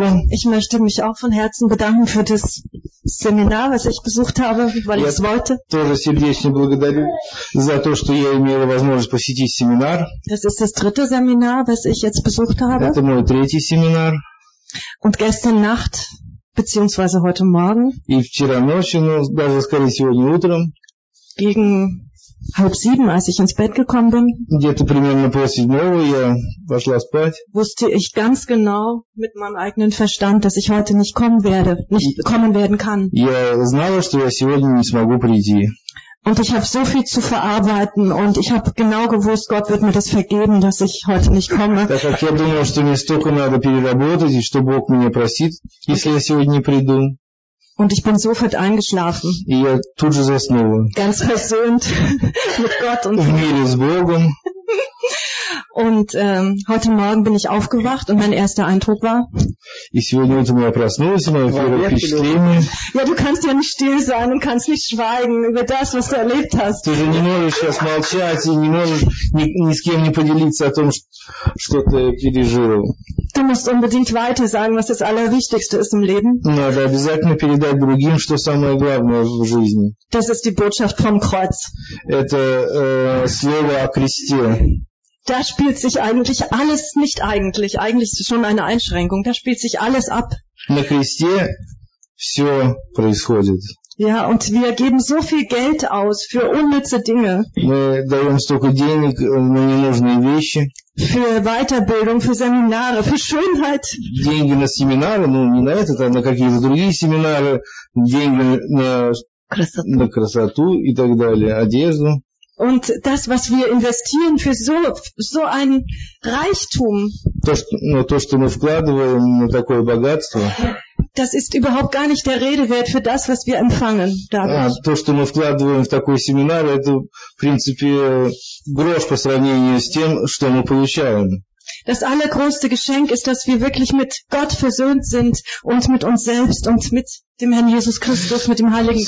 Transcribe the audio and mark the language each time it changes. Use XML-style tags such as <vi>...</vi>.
<de>Ich möchte mich auch von Herzen bedanken für das Seminar, was ich besucht habe, weil ich es wollte.</de> <ru>Тоже сердечно благодарю за то, что я имела возможность посетить семинар.</ru> <de>Das ist das dritte Seminar, was ich jetzt besucht habe.</de> <ru>Это мой третий семинар.</ru> <de>Und gestern Nacht beziehungsweise heute Morgen.</de> <ru>И вчера ночью, но даже скорее сегодня утром.</ru> <de>Gegen 6:30, als ich ins Bett gekommen bin,</de> <ru>где-то примерно после 7 я пошла спать,</ru> <de>wusste ich ganz genau mit meinem eigenen Verstand, dass ich heute nicht kommen werde, nicht kommen werden kann.</de> <ru>Я знала, что я сегодня не смогу прийти.</ru> <de>Und ich habe so viel zu verarbeiten und ich habe genau gewusst, Gott wird mir das vergeben, dass ich heute nicht komme.</de> <ru>Так как я думала, что мне столько надо переработать, и что Бог меня простит, если я сегодня не приду.</ru> <de>Und ich bin sofort eingeschlafen.</de> <ru>Я тут же заснула.</ru> <de>Ganz versöhnt mit Gott und</de> <ru>в мире с Богом.</ru> <de>Und heute Morgen bin ich aufgewacht und mein erster Eindruck war.</de> <ru>И сегодня утром я проснулась, мое первое впечатление.</ru> <de>Ja, du kannst ja nicht still sein und kannst nicht schweigen über das, was du erlebt hast.</de> <ru>Ты же не можешь сейчас молчать и не можешь ни с кем не поделиться о том, что ты пережил.</ru> <de>Du musst unbedingt weiter sagen, was das Allerwichtigste ist im Leben.</de> <ru>Надо обязательно передать другим, что самое главное в жизни.</ru> <de>Das ist die Botschaft vom Kreuz.</de> <ru>Это слово о кресте.</ru> <de>Da spielt sich eigentlich alles, nicht eigentlich, eigentlich schon eine Einschränkung, da spielt sich alles ab.</de> <ru>На кресте все происходит.</ru> <de>Ja, und wir geben so viel Geld aus für unnütze Dinge. Für Weiterbildung, für Seminare, für Schönheit.</de> <ru>Деньги на семинары, ну не на этот, а на какие-то другие семинары, деньги на красоту, на красоту и так далее, одежду.</ru> <de>Und das, was wir investieren für so, so ein Reichtum, das ist überhaupt gar nicht der Rede wert für das, was wir empfangen.</de> <ru>То, что мы вкладываем в такой семинар, это, в принципе, грош по сравнению с тем, что мы получаем.</ru> <de>Das allergrößte Geschenk ist, dass wir wirklich mit Gott versöhnt sind und mit uns selbst und mit dem Herrn Jesus Christus, mit dem Heiligen Geist.</de>